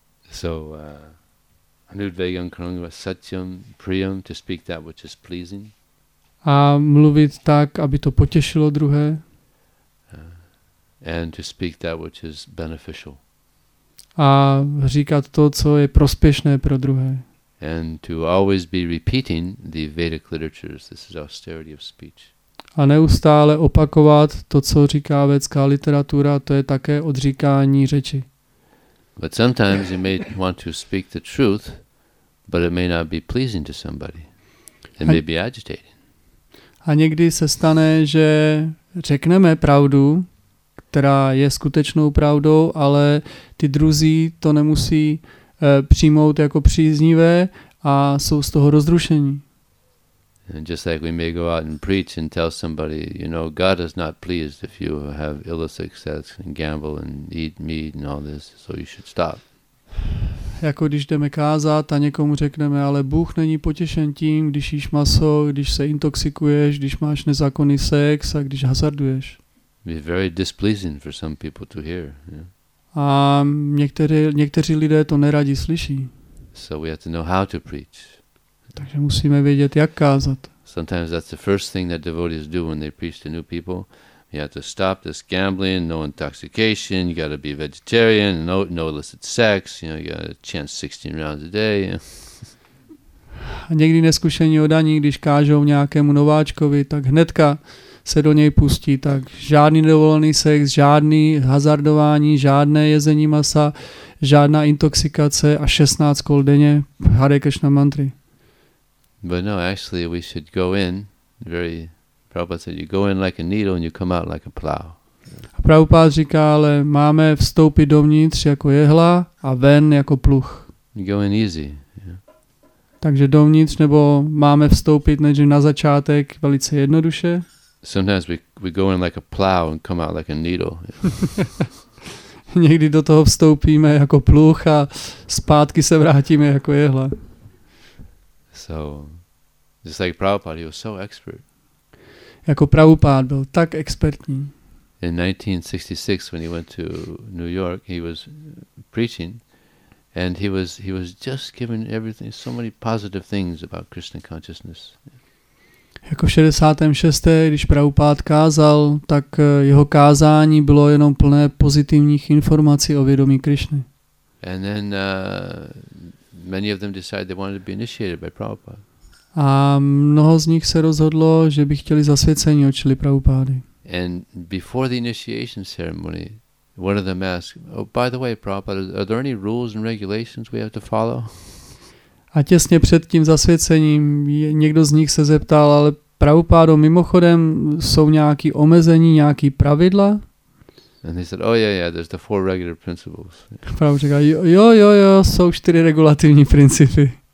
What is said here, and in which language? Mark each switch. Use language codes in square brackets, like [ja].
[en] So [sa] anudvegyam krungva satyam priyam, [en] to speak that which is pleasing. [cs] A mluvit tak, aby to potěšilo druhé. [en] And to speak that which is beneficial. [cs] A říkat to, co je prospěšné pro druhé. [en] And to always be repeating the Vedic literatures. This is austerity of speech. [cs] A neustále opakovat to, co říká vedská literatura, to je také odříkání řeči. [en] But sometimes you may want to speak the truth, but it may not be pleasing to somebody. It may be agitating. [cs] A někdy se stane, že řekneme pravdu, která je skutečnou pravdou, ale ty druzí to nemusí přijmout jako příznivé a jsou z toho rozrušení. [en] And just like we may go out and preach and tell somebody, you know, God is not pleased if you have illicit sex and gamble and eat meat and all this, so you should stop. [cs] Jako když jdeme kázat a někomu řekneme, ale Bůh není potěšen tím, když jíš maso, když se intoxikuješ, když máš nezákonný sex a když hazarduješ. [en] Be very displeasing for some people to hear. [cs] A někteří lidé to neradi slyší. [en] So we have to know how to preach. [cs] Takže musíme vědět, jak kázat. [en] Sometimes that's the first thing that devotees do when they preach to new people. You have to stop this gambling, no intoxication, you got to be vegetarian, no illicit sex, you know, you got to chant 16 rounds a day. [cs] A někdy neskušení odaní, když kážou nějakému nováčkovi, tak hnedka se do něj pustí, tak žádný nedovolený sex, žádný hazardování, žádné jezení masa, žádná intoxikace a 16 kol denně Hare Krishna mantry. [en] But no, actually we should go in very Prabhupada said you go in like a needle and you come out like a plow. [cs] A Prabhupád říká, ale máme vstoupit dovnitř jako jehla a ven jako pluh. [en] Going easy. [cs] Takže dovnitř, nebo máme vstoupit než na začátek velice jednoduše. [en] Sometimes we go in like a plow and come out like a needle. [cs] Někdy do toho vstoupíme jako pluh a zpátky se vrátíme jako jehla. [en] So, just like Prabhupada, he was so expert. [cs] Jako Prabhupád byl tak expertní. [en] In 1966, when he went to New York, he was preaching. And he was just given everything, so many positive things about Krishna consciousness. [cs] Jako v 66., když Prabhupád kázal, tak jeho kázání bylo jenom plné pozitivních informací o vědomí Krišny. [en] And then many of them decided they wanted to be initiated by Prabhupada. [cs] A mnoho z nich se rozhodlo, že by chtěli zasvěcení od čili Prabhupády. [en] And before the initiation ceremony, one of them asked, oh, by the way, Prabhupada, are there any rules and regulations we have to follow? [cs] A těsně před tím zasvěcením někdo z nich se zeptal, ale Prabhupádo, mimochodem, jsou nějaké omezení, nějaké pravidla? [en] And he said, oh, yeah, there's the four regular principles. [cs] Prabhupáda říká, jo, jsou čtyři regulativní principy.